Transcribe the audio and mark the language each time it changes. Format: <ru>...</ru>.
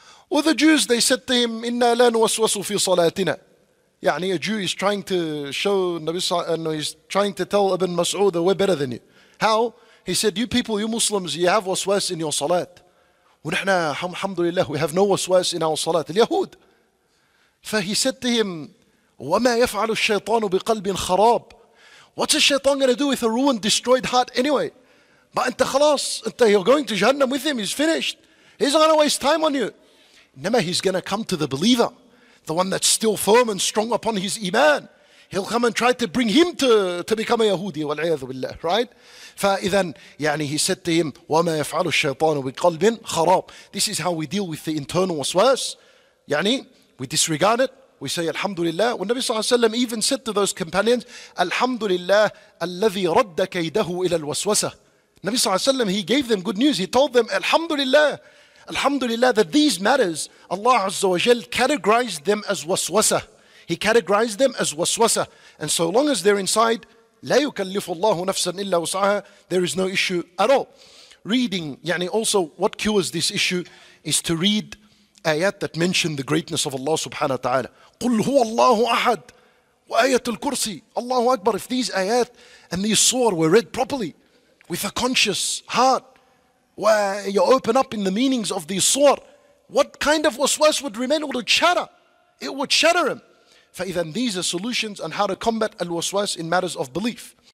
<en>Well, the Jews, they said to him,</en> <ar>إِنَّا لَا نُوَسْوَسُ فِي صَلَاتِنَا.</ar> <en>يعني, a Jew is trying to show Nabi Sallallahu, he's trying to tell Ibn Mas'ud that we're better than you. How? He said, you people, you Muslims, you have waswas in your salat.</en> <ar>ونحن الحمد لله,</ar> <en>we have no waswas in our salat.</en> <ar>اليهود. فهي</ar> <en>said to him,</en> <ar>وما يفعل الشيطان بقلب خراب.</ar> <en>What's a shaitan going to do with a ruined, destroyed heart anyway? But</en> <ar>أنت خلاص, أنت,</ar> <en>you're going to Jahannam with him, he's finished. He's not going to waste time on you. نما, he's going to come to the believer, the one that's still firm and strong upon his Iman. He'll come and try to bring him to become a Yahudi,</en> <ar>والعياذ بالله,</ar> <en>right?</en> <ar>فإذا, يعني,</ar> <en>he said to him,</en> <ar>وما يفعل الشيطان بقلب خراب.</ar> <en>This is how we deal with the internal waswas. يعني, we disregard it. We say, Alhamdulillah. When Nabi Sallallahu Alaihi Wasallam even said to those companions, Alhamdulillah,</en> <ar>الذي رد كيده إلى الوسوسة.</ar> <en>Nabi Sallallahu Alaihi Wasallam, he gave them good news. He told them, Alhamdulillah, Alhamdulillah, that these matters, Allah Azza wa Jal categorized them as waswasa. He categorized them as waswasa. And so long as they're inside,</en> <ar>لا يكلف الله نفسا إلا وسعها,</ar> <en>there is no issue at all. Reading, يعني, also what cures this issue is to read ayat that mention the greatness of Allah subhanahu wa ta'ala.</en> <ar>قل هو الله أحد وآية الكرسي. Allahu Akbar.</ar> <en>If these ayat and these surah were read properly with a conscious heart, where you open up in the meanings of these surah, what kind of waswas would remain? It would shatter. It would shatter him. فإذا, these are solutions on how to combat al-waswas in matters of belief.</en>